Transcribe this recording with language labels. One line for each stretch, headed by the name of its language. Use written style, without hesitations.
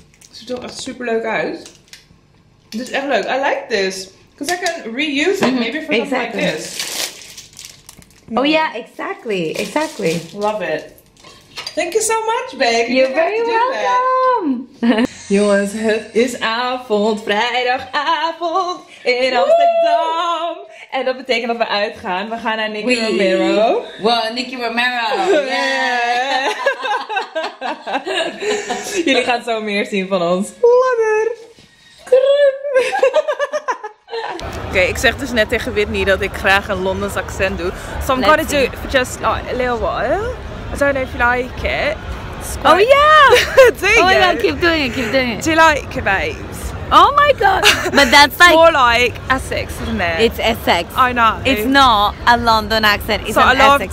Dutch: It ziet er echt super leuk uit.
English: This is
Dutch: echt leuk.
English: I like this. Because I can reuse it maybe for something like this. Oh yeah, exactly. Love it. Thank you so much, babe. You're very welcome.
Dutch: Jongens, het is avond. Vrijdagavond in Amsterdam. En dat betekent dat we uitgaan. We gaan naar Nicky Romero.
English: Wow, Nicky Romero. Yeah.
Dutch: Jullie gaan zo meer zien van ons.
English: Later. Ha ha ha ha ha!
Dutch: Okay, ik zeg dus net tegen Whitney dat ik graag een Londens accent doe.
English: So I'm gonna do it for just like a little while. I don't know if you like it. Oh yeah! Do you? Oh yeah, keep doing it, keep doing it. Do you like it, babes? Oh my god! But that's like... more like Essex, isn't it? It's Essex. I know. It's not a London accent, it's an Essex accent.